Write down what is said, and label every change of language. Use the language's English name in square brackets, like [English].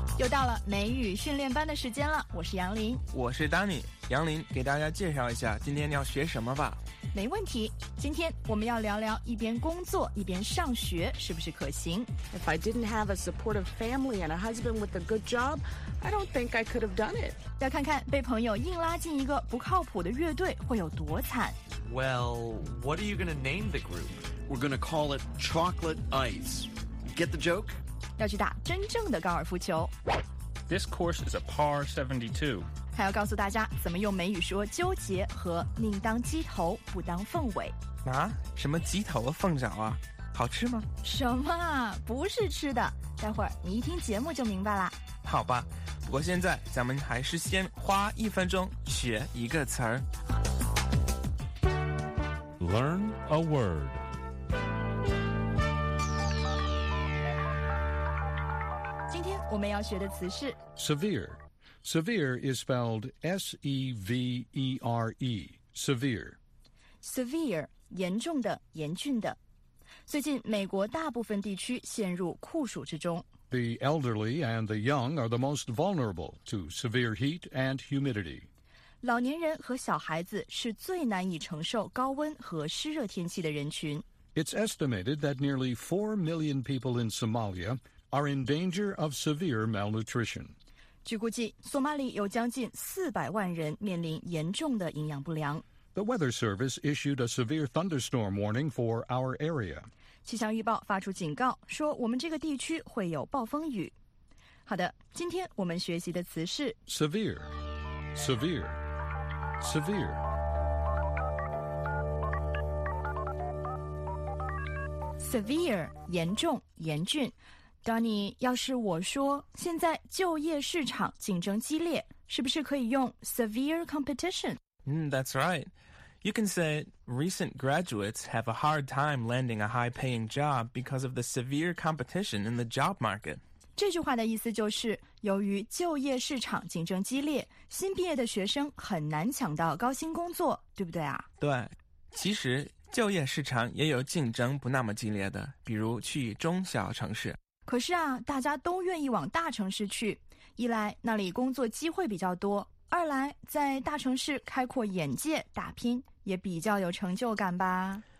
[Chinese] 到了美语训练班的时间了，我是杨林。我是 Danny。杨林，给大家介绍一下今天要学什么吧。没问题，今天我们要聊聊一边工作一边上学是不是可行。 [English] If I didn't have a supportive family and a husband with a good job, I don't think I could have done it. [Chinese] 要看看被朋友硬拉进一个不靠谱的乐队会有多惨。 [English] Well, what are you going to name the group? We're going to call it Chocolate Ice. Get the joke? [Chinese] 要去打真正的高尔夫球。 [English] This course is a par 72. [Chinese] 还要告诉大家怎么用美语说纠结和宁当鸡头不当凤尾。啊？什么鸡头和凤爪啊？好吃吗？什么？不是吃的。待会儿你一听节目就明白了。好吧，不过现在咱们还是先花一分钟学一个词儿。 [English] Learn a word. [Chinese] 我们要学的词是 [English] severe. Severe is spelled S-E-V-E-R-E. Severe. [Chinese] Severe, 严重的，严峻的。最近美国大部分地区陷入酷暑之中。 [English] The elderly and the young are the most vulnerable to severe heat and humidity. [Chinese] 老年人和小孩子是最难以承受高温和湿热天气的人群。 [English] It's estimated that nearly 4 million people in Somalia... are in danger of severe malnutrition. [Chinese] 据估计，索马里有将近400万人面临严重的营养不良。 [English] The Weather Service issued a severe thunderstorm warning for our area. [Chinese] 气象预报发出警告，说我们这个地区会有暴风雨。好的，今天我们学习的词是 [English] severe, severe, severe. [Chinese] Severe, 严重，严峻。Danny, 要是我说现在就业市场竞争激烈，是不是可以用 severe competition? [English] That's right. You can say recent graduates have a hard time landing a high-paying job because of the severe competition in the job market. [Chinese] 这句话的意思就是，由于就业市场竞争激烈，新毕业的学生很难抢到高薪工作，对不对啊？对，其实就业市场也有竞争不那么激烈的，比如去中小城市。可是啊，大家都愿意往大城市去，一来那里工作机会比较多，二来在大城市开阔眼界打拼也比较有成就感吧。